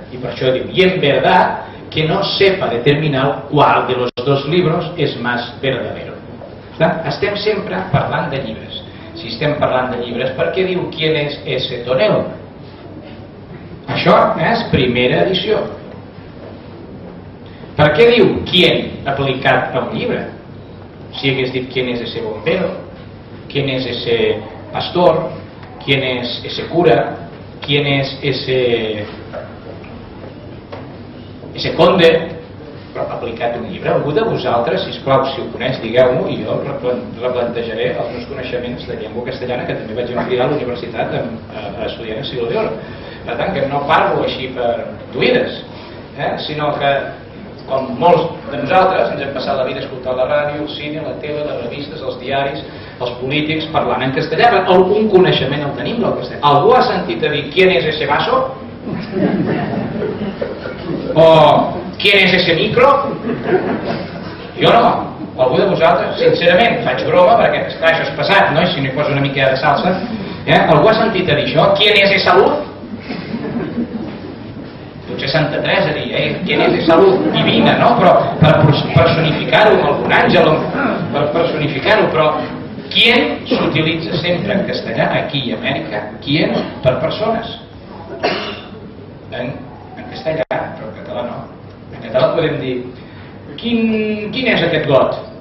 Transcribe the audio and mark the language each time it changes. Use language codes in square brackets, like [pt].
[ca] I per això diu, [es] i en verdad que no sepa determinar qual de los dos libros es más verdadero. [ca] Estem sempre parlant de llibres. Si estem parlant de llibres, per què diu [es] quién es ese Tonel? [ca] Això és primera edició. Per què diu quién aplicat a un llibre? Si hagués dit [es] quién es ese bombero, quién es ese pastor, quién es ese cura, quién es ese conde, [ca] però aplicat a un llibre. Algú de vosaltres, sisplau, si ho coneix, digueu-m'ho i jo replantejaré els meus coneixements de llengua castellana, que també vaig ampliar a la universitat a estudiar en Siglo d'Or. Per tant, que no parlo així per tuïdes, sinó que, com molts de nosaltres, ens hem passat la vida escoltant la ràdio, el cine, la tele, les revistes, els diaris, els polítics, parlant en castellà. Algun coneixement el tenim del castellà. Algú ha sentit a dir, [es] ¿quién es ese vaso? O, ¿quién es ese micro? [ca] Jo no. Algú de vosaltres, sincerament, faig broma, perquè clar, això és pesat, no? I si no hi poso una mica de salsa. Algú ha sentit a dir això? [es] ¿Quién es ese luz? [ca] Potser Santa Teresa diria, [es] ¿quién es esa luz divina? [ca] No? Però per personificar-ho amb algun àngel, per personificar-ho, però ¿quién s'utilitza sempre en castellà aquí a Amèrica? ¿Quién? Per persones. En castellà, però en català no. En català podem dir, quin és aquest got?